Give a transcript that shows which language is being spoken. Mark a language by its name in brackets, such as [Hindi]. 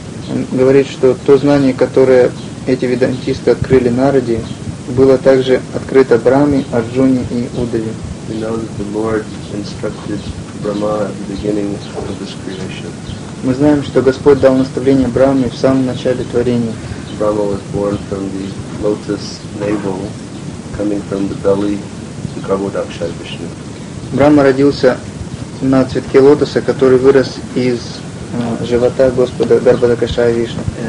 [Russian] Он говорит, что то знание, которое эти ведантисты открыли Нараде, было также открыто Брахме, Арджуне и Удаве. [English] We know that the Lord instructed Brahma at the beginning of this creation. [Russian] Мы знаем, что Господь дал наставление Брахме в самом начале творения. [English] Brahma was born from the lotus navel, coming from the belly to Garbhodakshaya Vishnu. [Russian] Брахма родился на цветке лотоса, который вырос из живота Господа Гарбхадакшая Вишну.